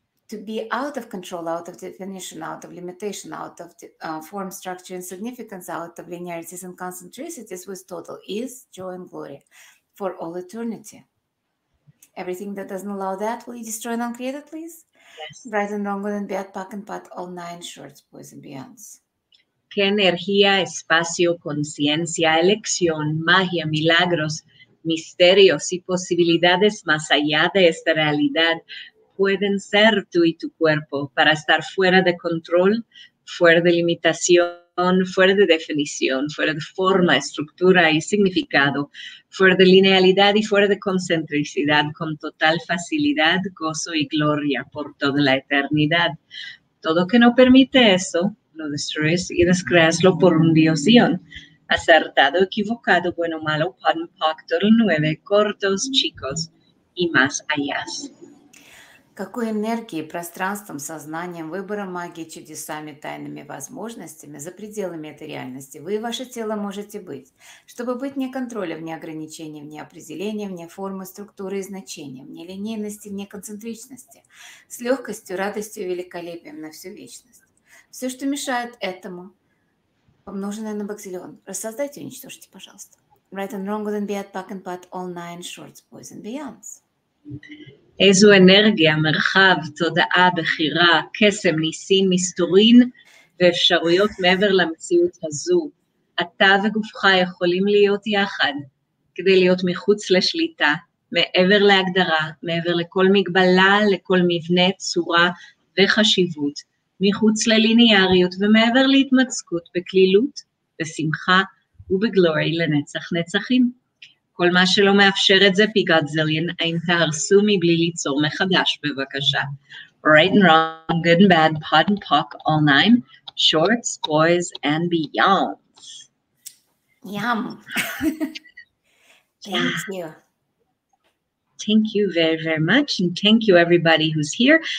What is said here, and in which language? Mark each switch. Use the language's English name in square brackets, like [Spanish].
[English] To be out of control, out of definition, out of limitation, out of form, structure, and significance, out of linearities and concentricities with total ease, joy, and glory for all eternity. Everything that doesn't allow that, will you destroy and uncreate it, please? Yes. Right and wrong, good and bad, pack and pot, all nine, shorts, boys, and beyonds. [Spanish] Que energía, espacio, conciencia, elección, magia, milagros, misterios y posibilidades más allá de esta realidad pueden ser tú y tu cuerpo para estar fuera de control, fuera de limitación, fuera de definición, fuera de forma, estructura y significado, fuera de linealidad y fuera de concentricidad, con total facilidad, gozo y gloria por toda la eternidad. Todo que no permite eso, lo destruyes y descreaslo por un diosión. Acertado, equivocado, bueno, malo, pan, pac, todo nueve, cortos, chicos y más allá. [Russian] Какой энергией, пространством, сознанием, выбором, магией, чудесами, тайными возможностями за пределами этой реальности вы и ваше тело можете быть, чтобы быть вне контроля, вне ограничений, вне определения, вне формы, структуры и значения, вне линейности, вне концентричности, с легкостью, радостью и великолепием на всю вечность. Все, что мешает этому, помноженное на бакзиллион, рассоздайте и уничтожьте, пожалуйста. [English] Right and wrong, good and bad, pack and pat, all nine shorts, boys and beyonds. [Hebrew] איזו אנרגיה, מרחב, תודעה, בחירה, קסם, ניסים, מסתורין ואפשרויות מעבר למציאות הזו. אתה וגופך יכולים להיות יחד כדי להיות מחוץ לשליטה, מעבר להגדרה, מעבר לכל מגבלה, לכל מבנה, צורה וחשיבות, מחוץ ללינייריות ומעבר להתמצקות בכלילות, בשמחה ובגלורי לנצח נצחים. כל מה שלא מאפשר את זה, פיגאדזליין, האם תהרסו מבלי ליצור מחדש, בבקשה. [English] Right and wrong, good and bad, pot and pock, all nine, shorts, boys and beyonds. Yum. Thank you. Thank you very, very much. And thank you everybody who's here.